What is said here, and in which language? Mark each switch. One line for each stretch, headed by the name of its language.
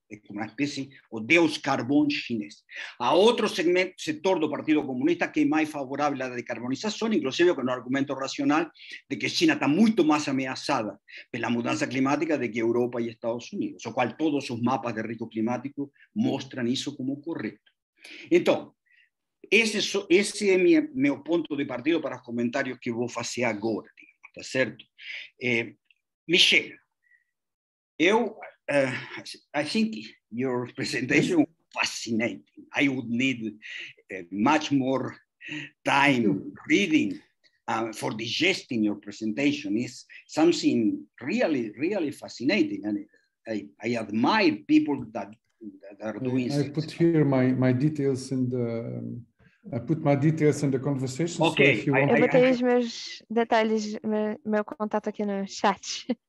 Portuguese: É uma espécie de deus carvão chinês. Há outro segmento, setor do Partido Comunista que é mais favorável à decarbonização, inclusive com o argumento racional de que China está muito mais ameaçada pela mudança climática do que Europa e Estados Unidos, o qual todos os mapas de risco climático mostram isso como correto. Então, esse é meu ponto de partida para os comentários que vou fazer agora, tá certo?
English: Michel, I think your presentation was fascinating. I would need much more time reading for digesting your presentation. It's something really, really fascinating. And I admire people that are doing this. I put here my details in the... I put my details in the conversation. Okay. So if you want
Portuguese: eu botei os meus detalhes, meu contato aqui no chat.